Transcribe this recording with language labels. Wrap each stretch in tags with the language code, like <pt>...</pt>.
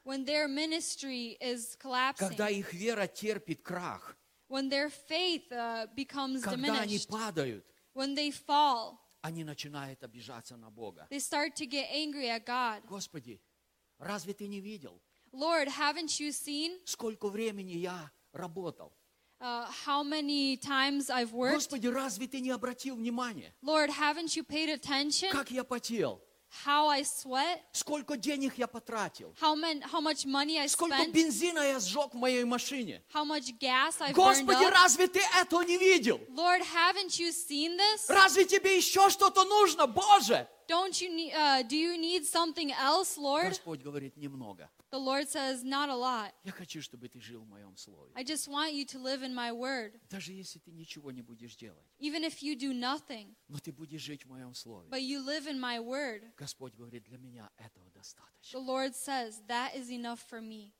<en>When their ministry is collapsing.</en> <ru>Когда их вера терпит крах.</ru> <en>When their faith becomes</en> <ru>когда</ru> <en>diminished.</en> <ru>Когда они падают.</ru> <en>When they fall.</en> <ru>Они начинают обижаться на Бога.</ru> <en>They start to get angry at God.</en> <ru>Господи, разве ты не видел?</ru> <en>Lord, haven't you seen?</en> <ru>Сколько времени я работал?</ru> <en>How many times I've worked?</en> <ru>Господи, разве ты не обратил внимания?</ru> <en>Lord, haven't you paid attention?</en> <ru>Как я потел?</ru> <en>How I sweat?</en> <ru>Сколько денег я потратил?</ru> <en>How much money I</en> <ru>сколько</ru> <en>spent?</en> <ru>Сколько бензина я сжег в моей машине?</ru> <en>How much gas I've</en> <ru>Господи,</ru> <en>burned up?</en> <ru>Господи, разве ты этого не видел?</ru> <en>Lord, haven't you seen this?</en> <ru>Разве тебе еще что-то нужно, Боже?</ru> <en>Don't you need, do you need something else, Lord?</en> <ru>Господь говорит, немного.</ru> <en>The Lord says, not a lot.</en> <ru>Я хочу, чтобы ты жил в моем слове.</ru> <en>I just want you to live in my word.</en> <ru>Даже если ты ничего не будешь делать.</ru> <en>Even if you do nothing.</en> <ru>Но ты будешь жить в моем слове.</ru> <en>But you live in my word.</en> <ru>Господь говорит, для меня этого достаточно.</ru> <en>The Lord says, that is enough for me.</en>